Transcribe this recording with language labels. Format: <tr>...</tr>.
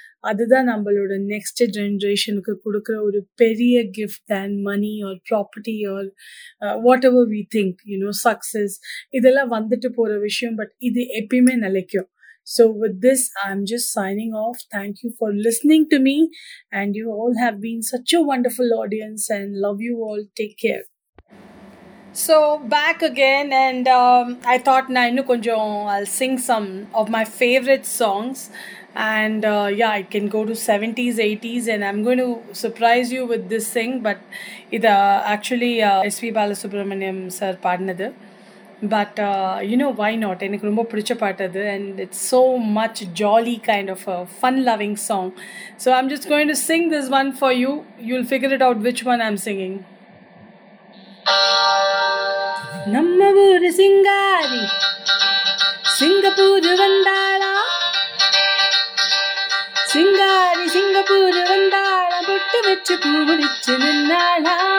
<ta>அதுதான் நம்மளோட நெக்ஸ்ட் ஜென்ரேஷனுக்கு கொடுக்குற ஒரு பெரிய gift</ta> <en>Then money or property or whatever we think you know success.</en> <ta>இதெல்லாம் வந்துட்டு போகிற விஷயம், பட் இது எப்பயுமே நிலைக்கும்.</ta> <en>So with this I am just signing off. Thank you for listening to me, and you all have been such a wonderful audience, and love you all, take care. So back again, and I thought</en> <ta>na innu konjam</ta> <en>I'll sing some of my favorite songs, and yeah, I can go to 70s 80s, and I'm going to surprise you with this thing. But it actually SV Balasubramaniam sir paadnadu, but you know, why not?</en> <ta>Enakku romba pidicha paattadu,</ta> <en>and it's so much jolly kind of a fun loving song. So I'm just going to sing this one for you. You'll figure it out which one I'm singing.</en> <ta>நம்ம ஊரு சிங்காரி Singapore வந்தாளா, சிங்காரி Singapore வந்தாளா, பொட்டு வச்சு பூ முடிச்சு நின்னாளா.</ta>